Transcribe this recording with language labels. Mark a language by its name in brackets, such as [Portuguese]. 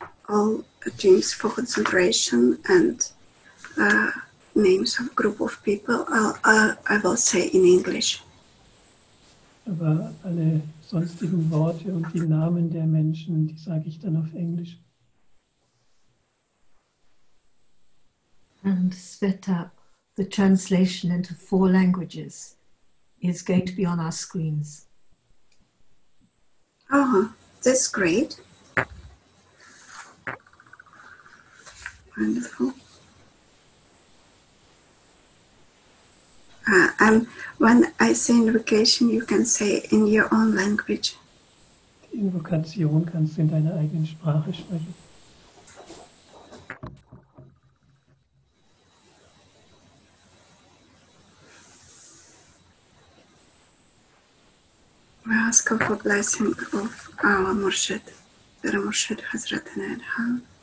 [English] All teams for concentration and names of group of people I will say in English. [German] Aber alle sonstigen Worte und die Namen der Menschen, die sage ich dann auf Englisch. [English] And Sveta, the translation into four languages is going to be on our screens. Oh, that's great. Wonderful. And when I say invocation, you can say in your own language. [German] Invocation kannst du in deiner eigenen Sprache sprechen. [English] We ask of the blessing of our Murshid, der Murshid Hazrat Inayat Khan.